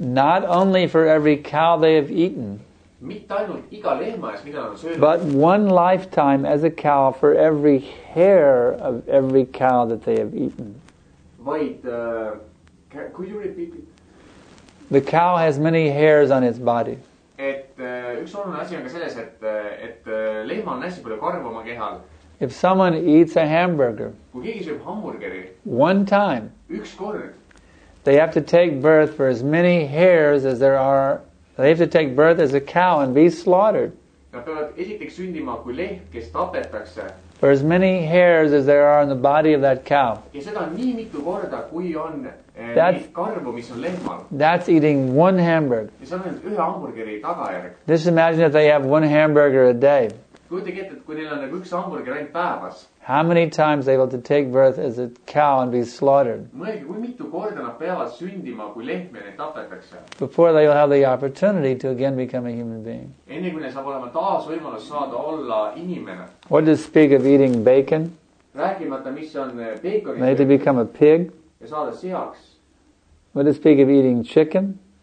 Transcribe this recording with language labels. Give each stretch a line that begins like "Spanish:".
English: Not only for every cow they have eaten.
Estonian: Mitte ainult iga lehma eest, mida nad on söönud.
English: But one lifetime as a cow for every hair of every cow that they have eaten. Wait, could you repeat it? The cow has many hairs on its body.
Estonian: Et üks oluline asi on ka selles, et lehma on hästi palju karv oma kehal.
English: If someone eats a hamburger,
Estonian: kui keegi sööb hamburgeri,
English: one time,
Estonian: üks kord,
English: They have to take birth for as many hairs as there are. They have to take birth as a cow and be slaughtered.
Estonian: Nad peavad esiteks sündima kui lehm, kes tapetakse.
English: For as many hairs as there are on the body of that cow.
Estonian: Ja seda nii mitu korda, kui on nii karvu, mis on lehmal.
English: That's eating one hamburger.
Estonian: Ja see on ühe hamburgeri tagajärg.
English: Just imagine if they have one hamburger a day.
Estonian: Kujutage ette, et kui neil on nagu üks hamburger ainult päevas.
English: How many times they able to take birth as a cow and be slaughtered?
Estonian: Mõelge, kui mitu korda nad peavad sündima, kui lehmene tapetakse.
English: Before they will have the opportunity to again become a human being.
Estonian: Enne kui neil saab olema taas võimalus saada olla inimene.
English: What does speak of eating bacon?
Estonian: Rääkimata, mis on bacon.
English: They to become a pig.
Estonian: Ja saada sihaks.
English: What does speak of eating chicken?